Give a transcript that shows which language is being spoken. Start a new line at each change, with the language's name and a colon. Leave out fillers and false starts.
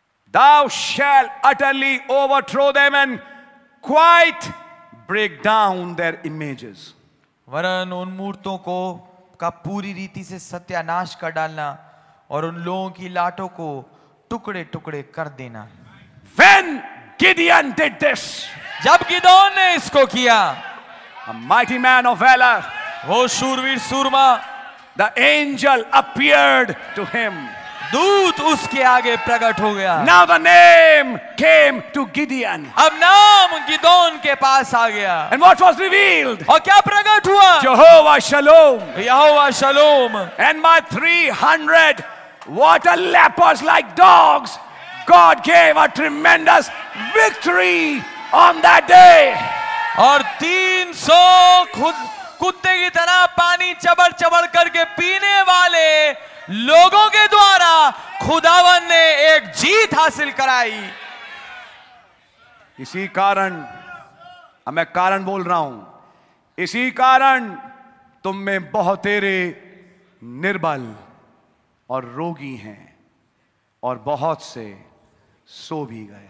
English: Thou shall utterly overthrow them and quite break down their images.
Hindi: वरन उन मूर्तों को का पूरी रीति से सत्यानाश कर डालना और उन लोगों की लाठों को टुकड़े टुकड़े कर देना।
English: When Gideon did this,
Hindi: जब गिदोन ने इसको किया,
English: a mighty man of valor,
Hindi: वो शूरवीर सूरमा,
English: the angel appeared to him,
Hindi: दूत उसके आगे प्रकट हो गया।
English: Now the name came to Gideon,
Hindi: अब नाम गिदोन के पास आ गया।
English: And what was revealed?
Hindi: और क्या प्रकट हुआ?
English: Jehovah Shalom,
Hindi: Jehovah शलोम।
English: And my 300 water lepers like dogs, God gave a tremendous victory on that day.
Hindi: और 300 खुद कुत्ते की तरह पानी चबड़ चबड़ करके पीने वाले लोगों के द्वारा खुदावन ने एक जीत हासिल कराई। इसी कारण मैं कारण बोल रहा हूं, इसी कारण तुम में बहुत तेरे निर्बल और रोगी हैं और बहुत से सो भी गए।